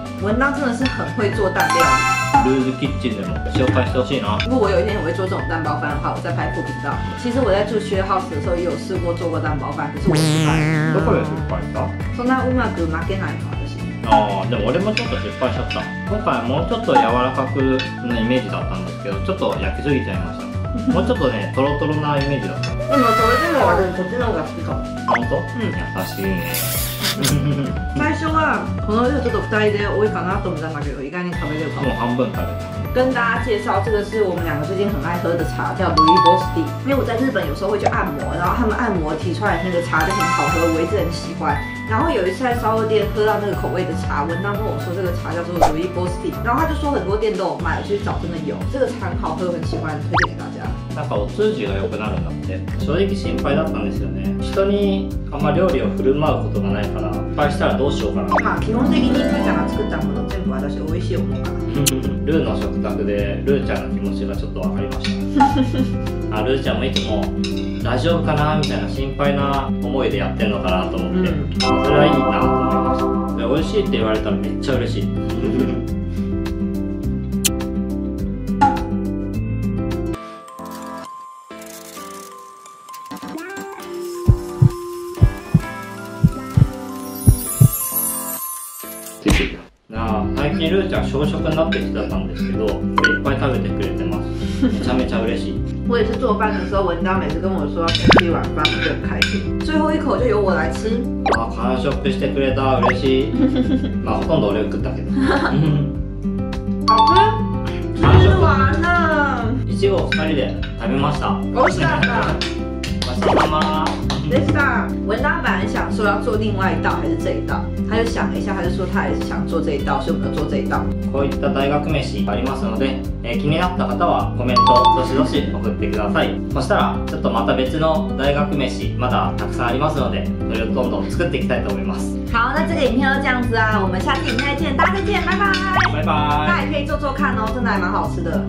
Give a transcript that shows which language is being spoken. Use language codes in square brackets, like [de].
[zh] 文当真的是很会做蛋料。 [ja] ルーズキッチンでも紹介してほしいな。 [zh] 如果我有一天我会做这种蛋包饭的话，我再拍副频道。其实我在住 share house 的时候也有试过做过蛋包饭，可是我失败。 [ja] どこで失敗した？そんなうまく負けないから私。ああ、でも俺もちょっと失敗しちゃった。今回もうちょっと柔らかくのイメージだったんですけど、ちょっと焼きすぎちゃいました。もうちょっとねトロトロなイメージだった。でもそれでも俺こっちの方が好きかも。本当？うん。優しい。最初はこの量ちょっと2人で多いかなと思ったんだけど、意外に食べれるかも。もう半分食べた。 [zh] 跟大家介绍，这个是我们两个最近很爱喝的茶，叫 Louis Bosti。因为我在日本有时候会去按摩，然后他们按摩提出来那个茶就很好喝，我一直很喜欢。然后有一次在烧肉店喝到那个口味的茶，文章跟我说这个茶叫做 Louis Bosti， 然后他就说很多店都有卖，我去找真的有。这个茶很好喝，很喜欢，推荐给大家。 [ja] なんかお通じが良くなるんだって。正直心配だったんですよね。人にあんま料理を振る舞うことがないから、失敗したらどうしようかな。まあ基本的にルーちゃんが作ったもの全部私美味しいものかな。ルーの食卓でルーちゃんの気持ちがちょっと分かりました。あ、ルーちゃんもいつも大丈夫かなみたいな心配な思いでやってるのかなと思って、それはいいなと思いました。美味しいって言われたらめっちゃ嬉しい。ルーちゃん小食になってきてたんですけど、いっぱい食べてくれてます。めちゃめちゃ嬉しい。 [zh] 我也是做饭的时候，文章每次跟我说要吃一碗饭，就很开心。最后一口就由我来吃。 [ja] あ、完食してくれた、嬉しい。まあほとんど俺食ったけど。 [zh] 好吃。完食完了。 [ja] 一号二人で食べました。美味しかった。ごちそうさま。 [zh] 那是吧？文达本来想说要做另外一道还是这一道，他就想了一下，他就说他还是想做这一道，所以我们就做这一道。 [ja] こういった大学名刺ありますので、気になった方はコメントどしどし送ってください。そしたらちょっとまた別の大学名刺まだたくさんありますので、それをどんどん作っていきたいと思います。 [zh] 好，那这个影片就这样子啊，我们下次影片再见，大家再见，拜拜。拜拜。大家也可以做做看哦，真的还蛮好吃的。